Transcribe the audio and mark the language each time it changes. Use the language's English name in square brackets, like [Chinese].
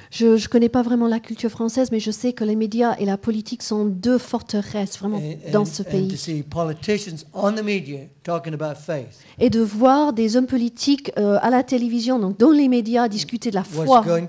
[French] Je connais pas vraiment la culture française, mais je sais que les médias et la politique sont deux forteresses vraiment dans ce pays. [English] And to see politicians on the media talking about faith. [French] Et de voir des hommes politiques à la télévision, donc dans les médias, discuter de la foi.